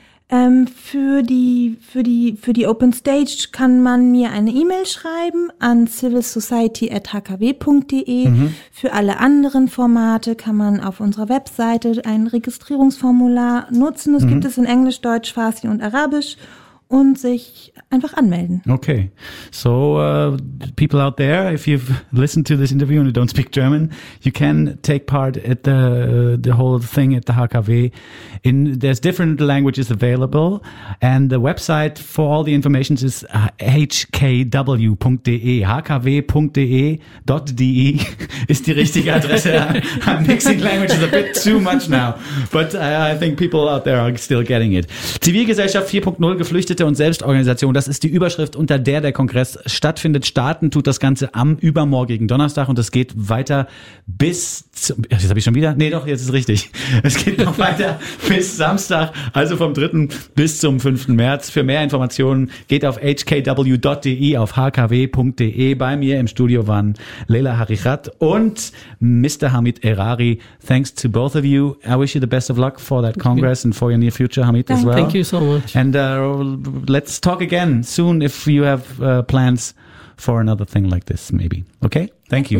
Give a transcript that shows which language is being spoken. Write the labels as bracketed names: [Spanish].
[German] Für die Open Stage kann man mir eine E-Mail schreiben an civilsociety@hkw.de. Mhm. Für alle anderen Formate kann man auf unserer Webseite ein Registrierungsformular nutzen. Das gibt es in Englisch, Deutsch, Farsi und Arabisch. Und sich einfach anmelden. Okay. [English] So, people out there, if you've listened to this interview and you don't speak German, you can take part at the whole thing at the HKW. There's different languages available. And the website for all the information is hkw.de. [German] hkw.de.de ist die richtige Adresse. [English] I'm mixing languages a bit too much now. But I think people out there are still getting it. [German] Zivilgesellschaft 4.0, Geflüchtete und Selbstorganisation. Das ist die Überschrift, unter der der Kongress stattfindet. Starten tut das Ganze am übermorgigen Donnerstag und es geht weiter bis weiter bis Samstag, also vom 3. bis zum 5. März. Für mehr Informationen geht auf hkw.de, auf hkw.de. Bei mir im Studio waren Leila Harichat und Mr. [English] Hamid Erari. Thanks to both of you. I wish you the best of luck for that Congress and for your near future, Hamid, as well. Thank you so much. And let's talk again soon if you have plans for another thing like this, maybe. Okay? Thank you.